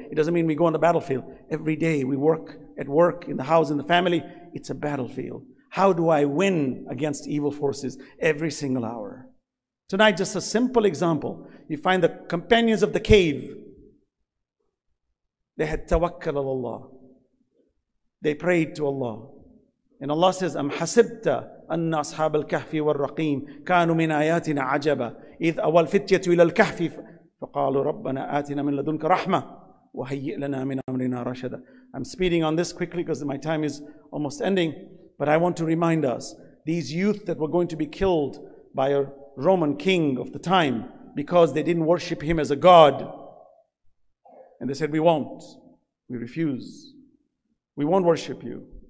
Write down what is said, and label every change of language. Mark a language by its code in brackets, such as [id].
[en] It doesn't mean we go on the battlefield. Every day we work, at work, in the house, in the family. It's a battlefield. How do I win against evil forces every single hour? Tonight, just a simple example. You find the companions of the cave. They had tawakkal ala Allah. They prayed to Allah. And Allah says, [ar] أَمْ حَسِبْتَ أَنَّ أَصْحَابَ الْكَهْفِ وَالرَّقِيمِ كَانُوا مِنْ آيَاتِنَا عَجَبًا إِذْ أَوَى الْفِتْيَةُ إِلَى الْكَهْفِ فَقَالُوا رَبَّنَا آتِنَا مِنْ لَدُنْكَ رَحْمَةً وَهَيِّئْ لَنَا مِنْ أَمْرِنَا رَشَدًا. [en] I'm speeding on this quickly because my time is almost ending, but I want to remind us, these youth that were going to be killed by a Roman king of the time because they didn't worship him as a god, and they said, we won't, we refuse, we won't worship you.